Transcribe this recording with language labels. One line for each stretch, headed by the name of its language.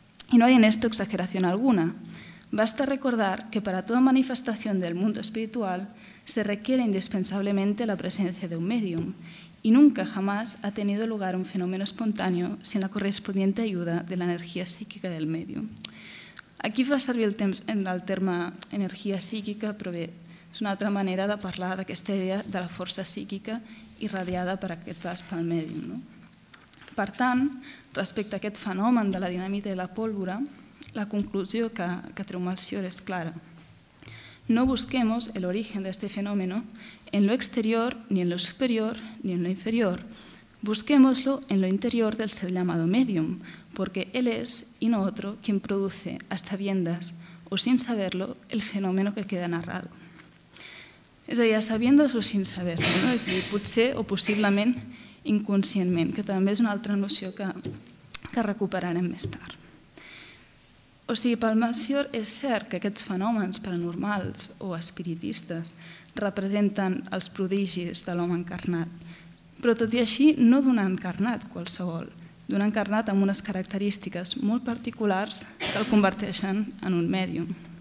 Spanish: Y no hay en esto exageración alguna. Basta recordar que para toda manifestación del mundo espiritual se requiere indispensablemente la presencia de un médium y nunca jamás ha tenido lugar un fenómeno espontáneo sin la correspondiente ayuda de la energía psíquica del médium.
Catalan: Aquí fa servir el terme energia psíquica, però bé, és una altra manera de parlar d'aquesta idea de la força psíquica irradiada per aquest pas pel mèdium. No? Per tant, respecte a aquest fenomen de la dinamita i la pólvora, la conclusió que treu Melcior és clara.
Spanish: No busquemos el origen de este fenómeno en lo exterior, ni en lo superior, ni en lo inferior. Busquémoslo en lo interior del ser llamado mèdium, porque él es, y no otro, quien produce, a sabiendas o sin saberlo, el fenómeno que queda narrado.
Catalan: És a dir,
Spanish: a sabiendas o sin saberlo,
Catalan: no? És a dir, potser o possiblement inconscientment, que també és una altra noció que recuperarem més tard. O sigui, pel Melcior és cert que aquests fenòmens paranormals o espiritistes representen els prodigis de l'home encarnat, però tot i així no d'un encarnat qualsevol, d'un encarnat amb unes característiques molt particulars que el converteixen en un mèdium.